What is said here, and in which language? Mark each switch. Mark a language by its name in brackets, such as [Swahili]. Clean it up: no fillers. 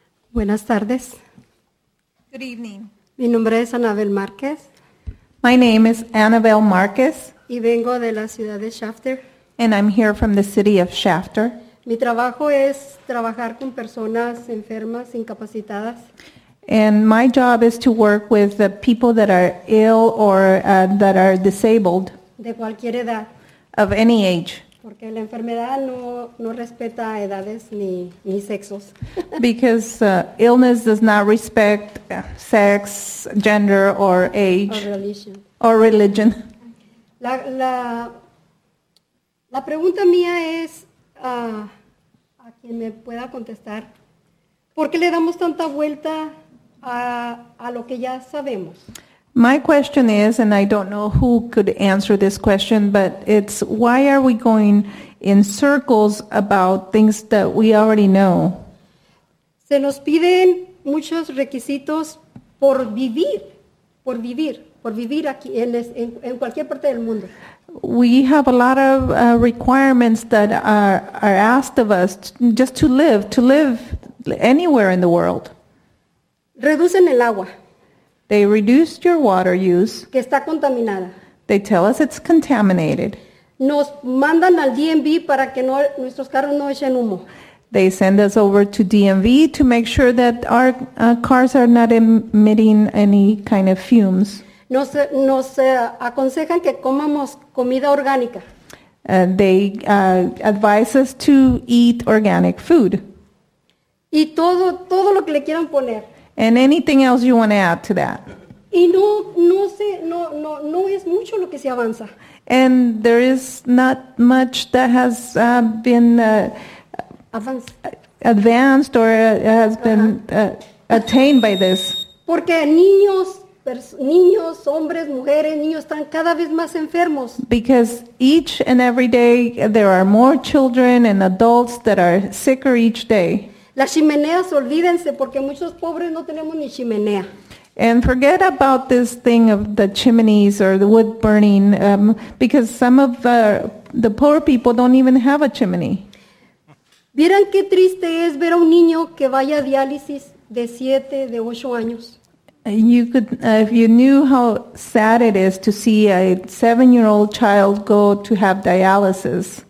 [Spanish] Buenas tardes. [English] Good evening. [Spanish] Mi nombre es Anabel Márquez. [English] My name is Anabel Márquez. [Spanish] Y vengo de la ciudad de Shafter. [English] And I'm here from the city of Shafter. [Spanish] Mi trabajo es trabajar con personas enfermas, incapacitadas. [English] And my job is to work with the people that are ill or that are disabled. [Spanish] De cualquier edad. [English] Of any age. [Spanish] Porque la enfermedad no respeta edades ni sexos. [English] Because illness does not respect sex, gender, or age. Or religion. Or religion. [Spanish] La pregunta mía es, a quien me pueda contestar, ¿por qué le damos tanta vuelta a lo que ya sabemos? [English] My question is, and I don't know who could answer this question, but it's why are we going in circles about things that we already know? [Spanish] Se nos piden muchos requisitos por vivir aquí en cualquier parte del mundo. [English] We have a lot of requirements that are asked of us just to live anywhere in the world. [Spanish] Reducen el agua. [English] They reduced your water use. [Spanish] Que está contaminada. [English] They tell us it's contaminated. [Spanish] Nos mandan al DMV para que no, nuestros carros no echen humo. [English] They send us over to DMV to make sure that our cars are not emitting any kind of fumes. [Spanish] Nos aconsejan que comamos comida orgánica. [English] They advise us to eat organic food. [Spanish] Y todo lo que le quieran poner. [English] And anything else you want to add to that? [Spanish] No es mucho lo que se avanza. [English] And there is not much that has been advanced or has been attained by this. [Spanish] Porque niños, hombres, mujeres, niños están cada vez más enfermos. [English] Because each and every day there are more children and adults that are sicker each day. [Spanish] Las chimeneas, olvídense, porque muchos pobres no tenemos ni chimenea. [English] And forget about this thing of the chimneys or the wood burning, because some of the poor people don't even have a chimney. [Spanish] Vieran qué triste es ver a un niño que vaya a diálisis de 7, de 8 años. [English] If you knew how sad it is to see a 7-year-old child go to have dialysis.